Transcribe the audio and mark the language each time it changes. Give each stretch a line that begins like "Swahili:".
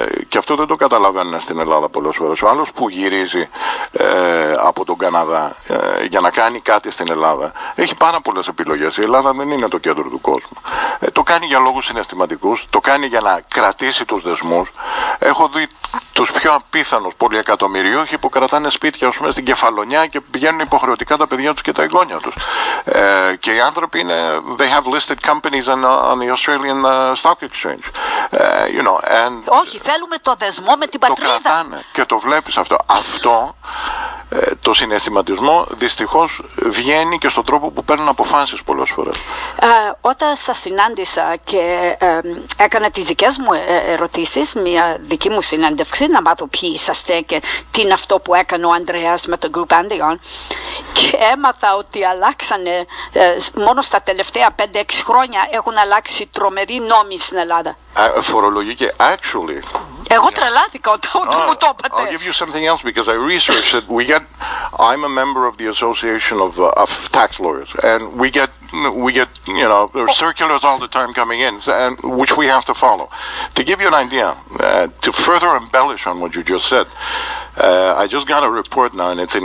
Greek: Και αυτό δεν το καταλαβαίνουν στην Ελλάδα πολλές φορές. Ο άλλος που γυρίζει από τον Καναδά για να κάνει κάτι στην Ελλάδα, έχει πάρα πολλές επιλογές. Η Ελλάδα δεν είναι το κέντρο του κόσμου. Το κάνει για λόγους συναισθηματικούς, το κάνει για να κρατήσει τους δεσμούς. Έχω δει τους πιο απίθανους πολυεκατομμυριούχοι που κρατάνε σπίτια, ας πούμε, στην Κεφαλονιά και πηγαίνουν υποχρεωτικά τα παιδιά τους και τα εγγόνια τους. Και οι άνθρωποι είναι,
English: they have listed companies on the Australian Stock Exchange. You know, and
Greek: όχι, θέλουμε το δεσμό με την πατρίδα. Το κρατάνε και το βλέπεις αυτό. Αυτό το συναισθηματισμό δυστυχώς βγαίνει και στον τρόπο που παίρνουν αποφάσεις πολλές φορές. Όταν σας συνάντησα και έκανα τις δικές μου ερωτήσεις, μια δική μου συνέντευξη, να μάθω ποιοι είσαστε και τι είναι αυτό που έκανε ο Ανδρέας με το Group Andion, και έμαθα ότι αλλάξανε, μόνο στα τελευταία 5-6 χρόνια έχουν αλλάξει τρομεροί νόμοι στην Ελλάδα. Φορολογική, actually. Εγώ τρελάθηκα όταν μου το είπατε.
English: I'll give you something else because I researched it. We get, I'm a member of the Association of Tax Lawyers, and we get, you know, there's circulars all the time coming in, and which we have to follow. To give you an idea, to further embellish on what you just said, I just got a report now, and it's in.